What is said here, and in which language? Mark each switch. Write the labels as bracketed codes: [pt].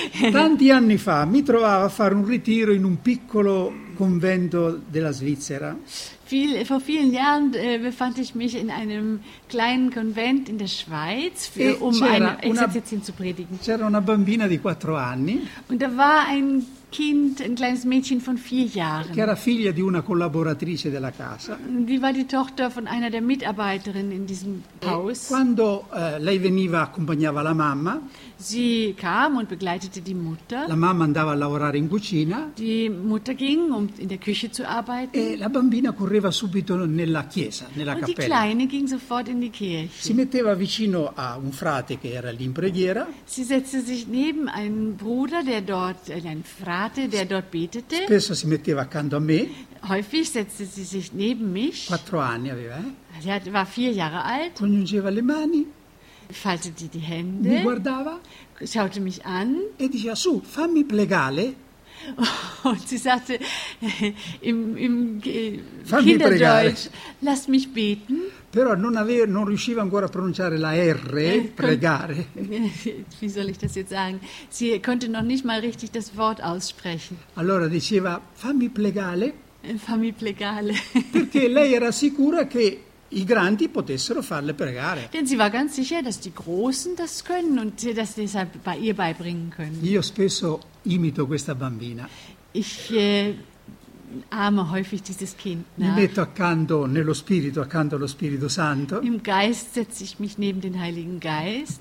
[it] Tanti anni fa mi trovavo a fare un ritiro in un piccolo convento della Svizzera. [de] Vor vielen Jahren befand ich mich in einem kleinen Konvent in der Schweiz, [it] C'era una bambina di 4 anni. [de] Und da war ein kleines Mädchen von 4 Jahren. [it] Che era figlia di una collaboratrice della casa. [de] Die war die Tochter von einer der Mitarbeiterinnen in diesem Haus. [it] Quando lei veniva accompagnava la mamma. [de] Sie kam und begleitete die Mutter. [it] La mamma andava a lavorare in cucina. [de] Die Mutter ging, um in der Küche zu arbeiten. [it] E la bambina correva subito nella chiesa, nella [de] und [it] cappella. [de] Und die Kleine ging sofort in die Kirche. [it] Si metteva vicino a un frate che era lì in preghiera. [de] Sie setzte sich neben einen Bruder, der dort, ein Frate, der dort betete. [it] Spesso si metteva accanto a me. [de] Häufig setzte sie sich neben mich. [it] 4 anni aveva. [de] Sie war 4 Jahre alt. [it] Congiungeva le mani. [de] Faltete die Hände. [it] Mi guardava. [de] Schaute mich an. [it] E diceva, su, fammi plegare. [de] Und sie sagte im Kinderdeutsch, lass mich beten. [it] Però non riusciva ancora a pronunciare la R, pregare. [de] Wie soll ich das jetzt sagen? Sie konnte noch nicht mal richtig das Wort aussprechen. [it] Allora diceva, fammi plegare. Fammi plegare. Perché lei era sicura che i grandi potessero farle pregare. [de] Denn sie war ganz sicher, dass die Großen das können und sie das deshalb bei ihr beibringen können. [it] Io spesso imito questa bambina. [de] Ich ame häufig dieses Kind. [it] Mi metto accanto nello Spirito, accanto allo Spirito Santo. [de] Im Geist setze ich mich neben den Heiligen Geist.